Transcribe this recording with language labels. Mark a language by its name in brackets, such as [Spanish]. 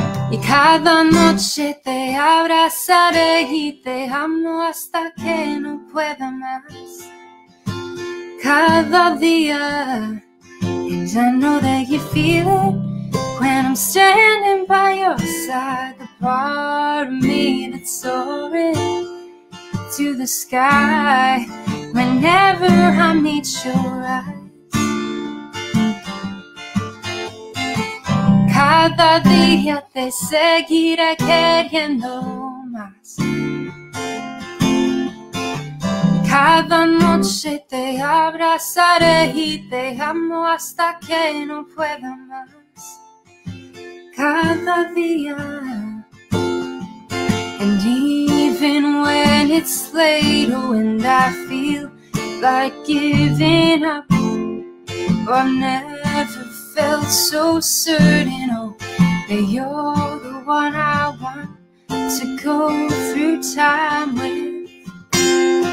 [Spanish] Y cada noche te abrazaré y te amo hasta que no pueda más. Cada día, [English] and I know that you feel it when I'm standing by your side. The part of me that's soaring to the sky whenever I meet your eyes. [Spanish] Cada día te seguiré queriendo más. Cada noche te abrazaré y te amo hasta que no pueda más. Cada día. [English] And even when it's late, oh, and I feel like giving up, I've never felt so certain. That you're the one I want to go through time with.